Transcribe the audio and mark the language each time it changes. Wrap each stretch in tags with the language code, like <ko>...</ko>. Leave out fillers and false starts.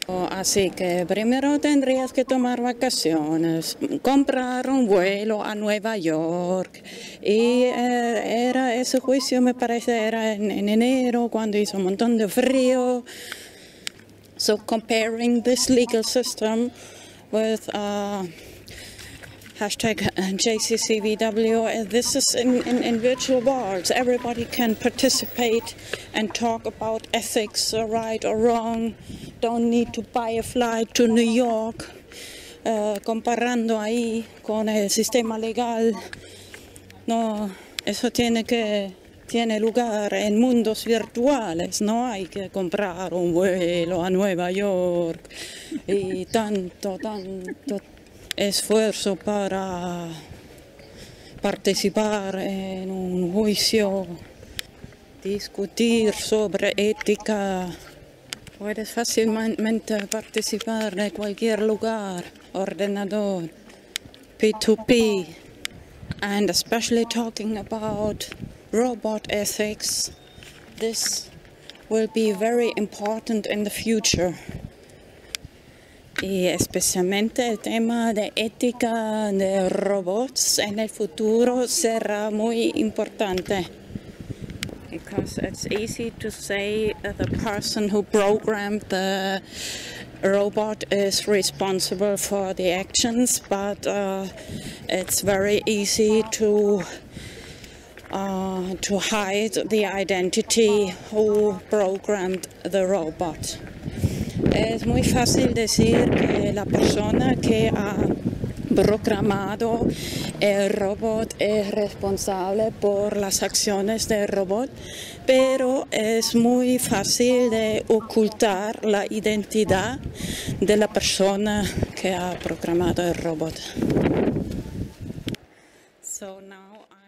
<es>Así que primero tendrías que tomar vacaciones, comprar un vuelo a Nueva York. Y era ese juicio, me parece, era en enero, cuando hizo un montón de frío.</es> <en>So comparing this legal system with hashtag JCCVW, this is in virtual worlds. Everybody can participate and talk about ethics, right or wrong. Don't need to buy a flight to New York.</en> <es>Comparando ahí con el sistema legal, no, eso tiene lugar en mundos virtuales. No hay que comprar un vuelo a Nueva York y tanto esfuerzo para participar en un juicio, discutir sobre ética. Puedes fácilmente participar en cualquier lugar, ordenador, P2P.</es> <en>And especially talking about robot ethics, this will be very important in the future.</en> <es>Y especialmente el tema de ética de robots en el futuro será muy importante.</es> <en>Because it's easy to say that the person who programmed the robot is responsible for the actions, but it's very easy to hide the identity who programmed the robot.</en> <es>Es muy fácil decir que la persona que ha programado el robot es responsable por las acciones del robot, pero es muy fácil de ocultar la identidad de la persona que ha programado el robot.</es> <en>So now</en>